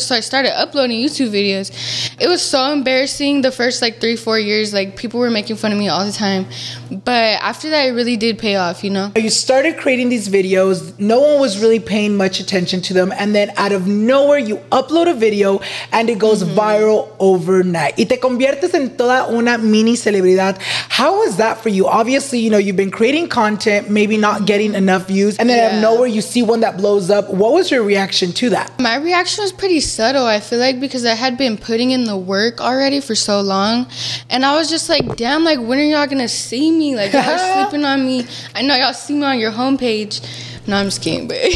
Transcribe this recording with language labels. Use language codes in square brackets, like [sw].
[en] So I started uploading YouTube videos. It was so embarrassing. The first like 3-4 years, like people were making fun of me all the time, but after that it really did pay off, you know. You started creating these videos, no one was really paying much attention to them, and then out of nowhere you upload a video and it goes mm-hmm. viral overnight. [es] Y te conviertes en toda una mini celebridad. [en] How was that for you? Obviously, you know, you've been creating content, maybe not getting enough views, and then out of nowhere you see one that blows up. What was your reaction to that? My reaction was pretty subtle, I feel like, because I had been putting in the work already for so long, and I was just like, damn, like when are y'all gonna see me? Like y'all sleeping on me. I know y'all see me on your homepage, No, I'm just kidding.